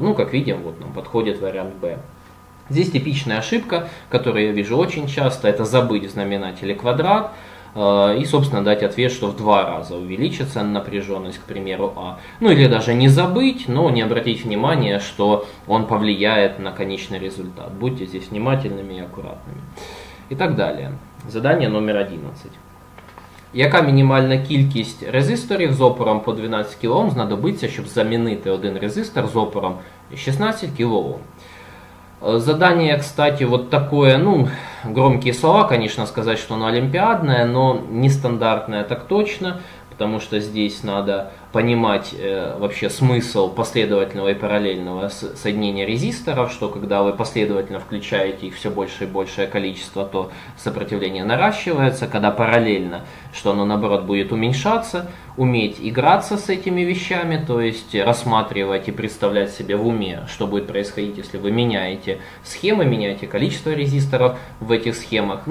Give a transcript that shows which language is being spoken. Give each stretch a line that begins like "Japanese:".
Russian: Ну, как видим, вот нам подходит вариант Б. Здесь типичная ошибка, которую я вижу очень часто, это забыть в знаменателе квадрат и, собственно, дать ответ, что в два раза увеличится напряженность, к примеру, А. Ну или даже не забыть, но не обратить внимания, что он повлияет на конечный результат. Будьте здесь внимательными и аккуратными. И так далее. Задание номер 11.
Ukrainian: Яка мінімальна кількість резисторів з опором по 12 кОм знадобиться, щоб замінити один резистор з опором 16 кОм?
Russian: Задание, кстати, вот такое, ну, громкие слова, конечно, сказать, что оно олимпиадное, но нестандартное так точно, потому что здесь надо понимать вообще смысл последовательного и параллельного соединения резисторов, что когда вы последовательно включаете их все больше и большее количество, то сопротивление наращивается, когда параллельно, что оно наоборот будет уменьшаться, уметь играться с этими вещами, то есть рассматривать и представлять себе в уме, что будет происходить, если вы меняете схемы, меняете количество резисторов в этих схемах.